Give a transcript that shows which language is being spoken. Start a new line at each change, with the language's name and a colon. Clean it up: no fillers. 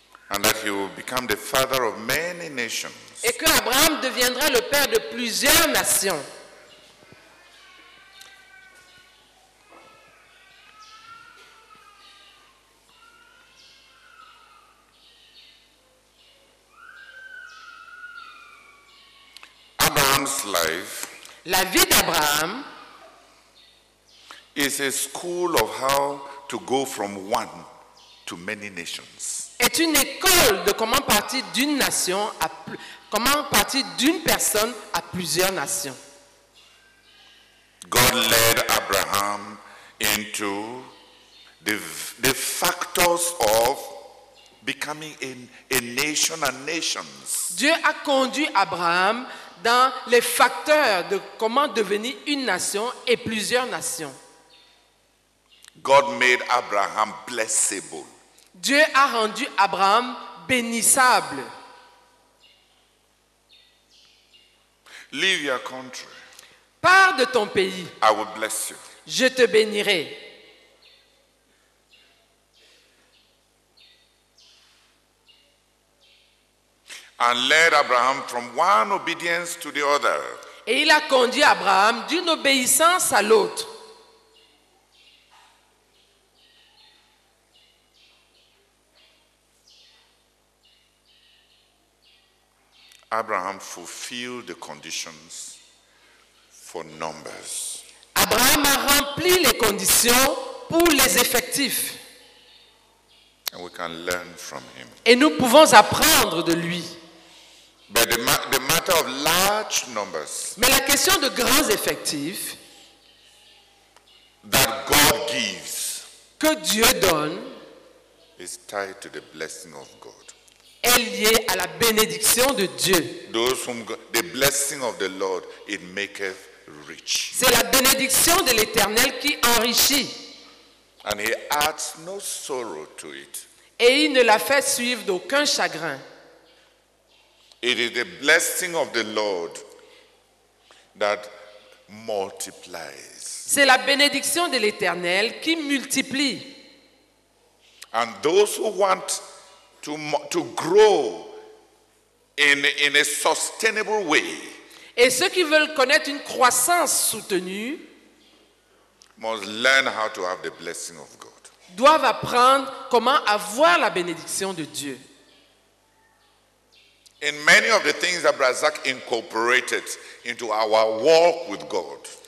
English: And that he will become the father of many nations.
French: Et que Abraham deviendra le père de plusieurs nations.
English: Abraham's life,
French: la vie d'Abraham,
English: is a school of how to go from one to many nations.
French: Est une école de comment partir d'une nation à comment partir d'une personne à plusieurs nations.
English: God led Abraham into the factors of becoming a nation and nations.
French: Dieu a conduit Abraham dans les facteurs de comment devenir une nation et plusieurs nations.
English: God made Abraham blessable.
French: Dieu a rendu Abraham bénissable.
English: Leave your country.
French: Pars de ton pays.
English: I will bless you.
French: Je te bénirai.
English: And led Abraham from one obedience to the other.
French: Et il a conduit Abraham d'une obéissance à l'autre.
English: Abraham fulfilled the conditions for numbers.
French: Abraham a rempli les conditions pour les effectifs.
English: And we can learn from him.
French: Et nous pouvons apprendre de lui.
English: But the matter of large numbers.
French: Mais la question de grands effectifs
English: that God gives
French: que Dieu donne
English: is tied to the blessing of God.
French: Est lié à la bénédiction de Dieu.
English: The blessing of the Lord, it maketh rich.
French: C'est la bénédiction de l'Éternel qui enrichit.
English: And he adds no sorrow to it.
French: Et il ne la fait suivre d'aucun chagrin.
English: It is the blessing of the Lord that multiplies.
French: C'est la bénédiction de l'Éternel qui multiplie.
English: And those who want to grow in a sustainable way.
French: Et ceux qui veulent connaître une croissance soutenue
English: must learn how to have the blessing of God.
French: Doivent apprendre comment avoir la bénédiction de Dieu.
English: In many of the things that Brazak incorporated into our walk with God.